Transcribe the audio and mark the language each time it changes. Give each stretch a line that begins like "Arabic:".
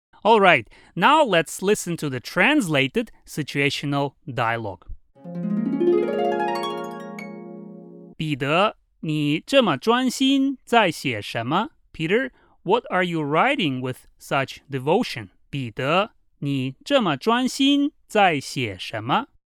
English: All right, now let's listen to the translated situational dialogue.
Chinese: 彼得,你这么专心在写什么?
English: Peter, what are you writing with such devotion?
Chinese: 彼得,你这么专心在写什么?